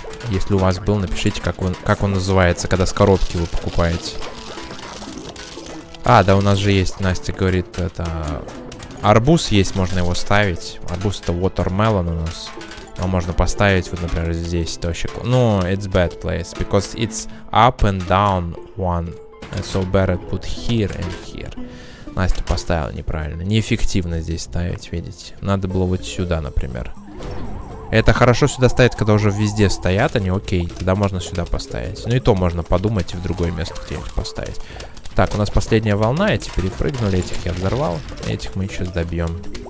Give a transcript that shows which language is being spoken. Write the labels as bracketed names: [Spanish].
[Russian] Если у вас был, напишите, как он называется, когда с коробки вы покупаете. А, да, у нас же есть, Настя говорит, это... Арбуз есть, можно его ставить. Арбуз — это watermelon у нас. Его можно поставить, вот, например, здесь. Точек. Ну, [English] it's bad place, because it's up and down one. And so better put here and here. [Russian] Настя поставила неправильно. Неэффективно здесь ставить, видите. Надо было вот сюда, например. Это хорошо сюда ставить, когда уже везде стоят они, окей. Тогда можно сюда поставить. Ну и то можно подумать и в другое место где-нибудь поставить. Так, у нас последняя волна, эти перепрыгнули, этих я взорвал, этих мы сейчас добьем.